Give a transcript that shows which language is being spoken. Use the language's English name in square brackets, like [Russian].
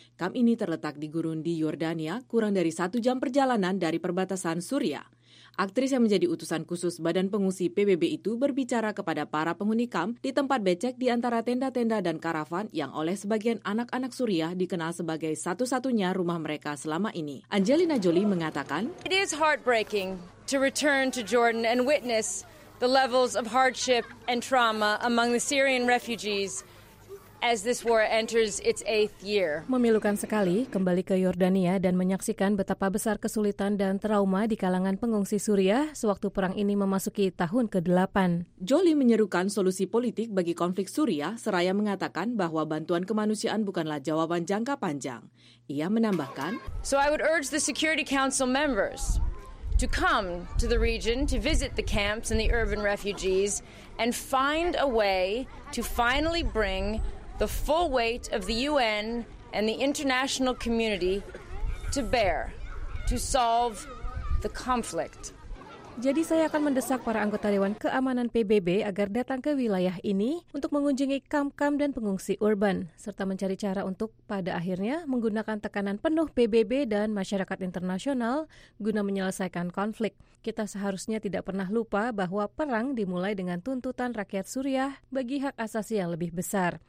[Indonesian] Kamp ini terletak di gurun di Yordania, kurang dari 1 jam perjalanan dari perbatasan Suriah. Aktris yang menjadi utusan khusus Badan Pengungsi PBB itu berbicara kepada para penghuni kamp di tempat becek di antara tenda-tenda dan karavan yang oleh sebagian anak-anak Suriah dikenal sebagai satu-satunya rumah mereka selama ini. Angelina Jolie mengatakan, [English] "It is heartbreaking to return to Jordan and witness the levels of hardship and trauma among the Syrian refugees as this war enters its 8th year." [Indonesian] Memilukan sekali kembali ke Yordania dan menyaksikan betapa besar kesulitan dan trauma di kalangan pengungsi Suriah sewaktu perang ini memasuki tahun ke-8. Jolie menyerukan solusi politik bagi konflik Suriah seraya mengatakan bahwa bantuan kemanusiaan bukanlah jawaban jangka panjang. Ia menambahkan, [English] "So I would urge the Security Council members to come to the region to visit the camps and the urban refugees and find a way to finally bring the full weight of the UN and the international community to bear to solve the conflict." [Indonesian] Jadi saya akan mendesak para anggota Dewan Keamanan PBB agar datang ke wilayah ini untuk mengunjungi kam-kam dan pengungsi urban, serta mencari cara untuk pada akhirnya menggunakan tekanan penuh PBB dan masyarakat internasional guna menyelesaikan konflik. Kita seharusnya tidak pernah lupa bahwa perang dimulai dengan tuntutan rakyat Suriah bagi hak asasi yang lebih besar.